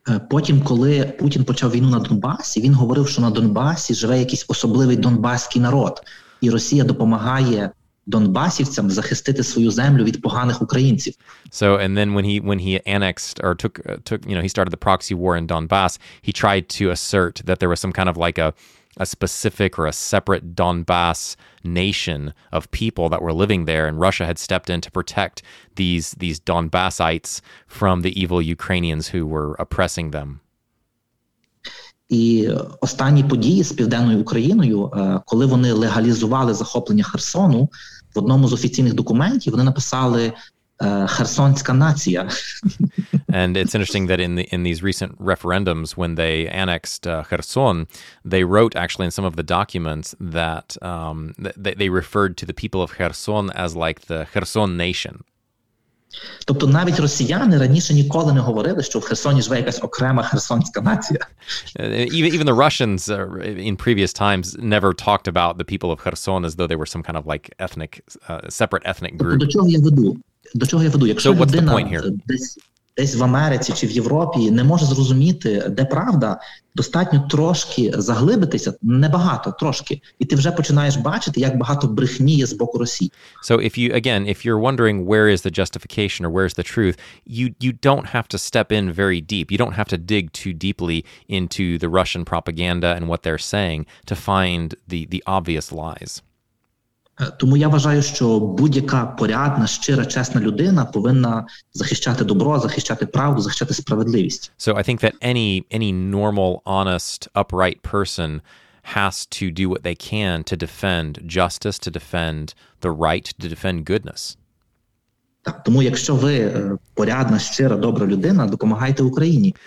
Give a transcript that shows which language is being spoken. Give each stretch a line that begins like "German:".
Ukrainian: Потім, коли Путін почав війну на Донбасі, він говорив, що на Донбасі живе якийсь особливий донбаський народ, і Росія допомагає донбасівцям захистити свою землю від поганих українців.
English: So and then when he annexed or took you know, he started the proxy war in Donbass, he tried to assert that there was some kind of like a specific or a separate Donbass nation of people that were living there, and Russia had stepped in to protect these Donbassites from the evil Ukrainians who were oppressing them.
Ukrainian: І останні події з Південною Україною, коли вони легалізували захоплення Херсону, в одному з офіційних документів вони написали «Херсонська нація».
English: And it's interesting that in these recent referendums, when they annexed Kherson, they wrote actually in some of the documents that they referred to the people of Kherson as like the Kherson nation.
Ukrainian: Тобто навіть росіяни раніше ніколи не говорили, що в Херсоні живе якась окрема херсонська нація.
English: Even the Russians in previous times never talked about the people of Kherson as though they were some kind of like ethnic, separate ethnic group.
Ukrainian: Тобто до чого я веду? Якщо людина,
English: what's the point here?
Ukrainian: Десь в Америці чи в Європі не може зрозуміти, де правда, достатньо трошки заглибитися, небагато, трошки, і ти вже починаєш бачити, як багато брехні є з боку Росії.
English: So if you, again, if you're wondering where is the justification or where is the truth, you don't have to step in very deep. You don't have to dig too deeply into the Russian propaganda and what they're saying to find the obvious lies.
Ukrainian: Тому я вважаю, що будь-яка порядна, щира, чесна людина повинна захищати добро, захищати правду, захищати справедливість.
English: So I think that any normal, honest, upright person has to do what they can to defend justice, to defend the right, to defend goodness.
Ukrainian: Так, тому якщо ви порядна, щира, добра людина, допомагайте Україні.